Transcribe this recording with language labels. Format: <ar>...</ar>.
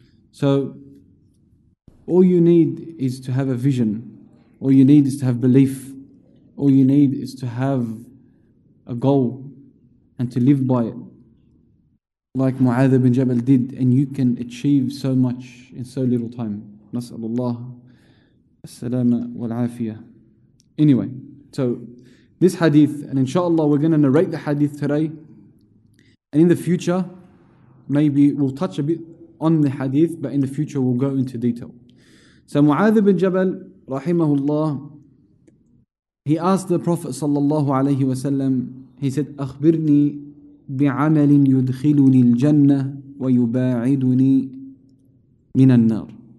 <en>So all you need is to have a vision. All you need is to have belief. All you need is to have a goal and to live by it, like Mu'adh ibn Jabal did, and you can achieve so much in so little time.</en> <ar>نسأل الله السلامة والعافية.</ar> <en>Anyway, so this hadith, and inshallah we're going to narrate the hadith today, and in the future maybe we'll touch a bit on the hadith, but in the future we'll go into detail. So Mu'adh ibn Jabal rahimahullah, he asked the Prophet sallallahu alayhi wasallam, he said,</en> <ar>أخبرني بعمل يدخلني الجنة ويباعدني من النار.</ar>